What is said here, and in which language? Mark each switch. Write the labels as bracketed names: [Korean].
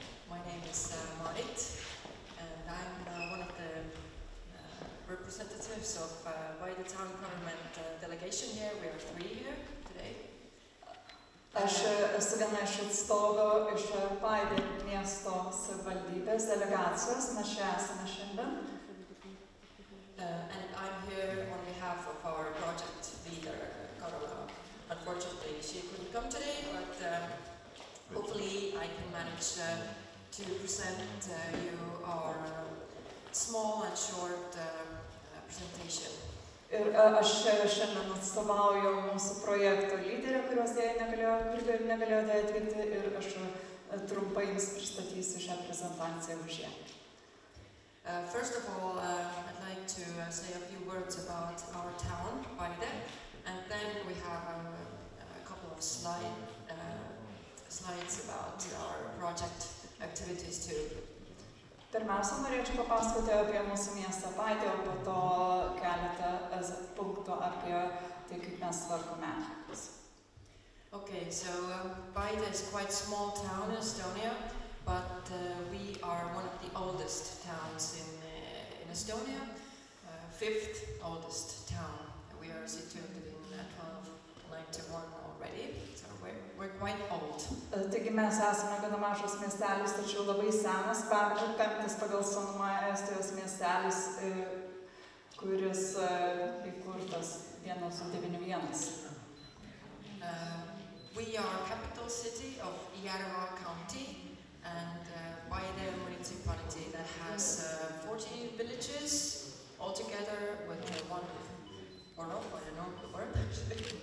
[English] My name is Marit, and I'm one of the representatives of Paide Town Government delegation here. We are three here today. [Lithuanian] Aš esu viena iš atstovų iš Paide miesto savivaldybės delegacijos, mes čia esame šiandien. [English] And I'm here on behalf of our project leader, Karola. Unfortunately, she couldn't come today, but hopefully I can manage to present you our small and short presentation. [Lithuanian] Ir aš šiandien atstovauju mūsų projekto lyderę, kurios dėja negalėjo atvykti, ir aš trumpai jums pristatysiu šią prezentaciją už ją. [English] First of all, I'd like to say a few words about our town, Paide, and then we have a couple of slides about our project activities too. [Lithuanian] Pirmiausia, norėčiau papasakoti apie mūsų miestą Paide, o po to keletą punktų apie tai kaip mes tvarkome atliekas. [English] Okay, so Paide is quite small town in Estonia, but we are one of the oldest towns in Estonia, fifth oldest town. We are situated in 1291 already, so we're quite old. [Lithuanian] Taigi mes esame gana mažas miestelis, tačiau labai senas, penktas pagal senumą Estijos miestelis, kuris įkurtas 1991. [English] We are capital city of Jarva County and Paide municipality that has 40 villages altogether with one or not, I don't know the word actually.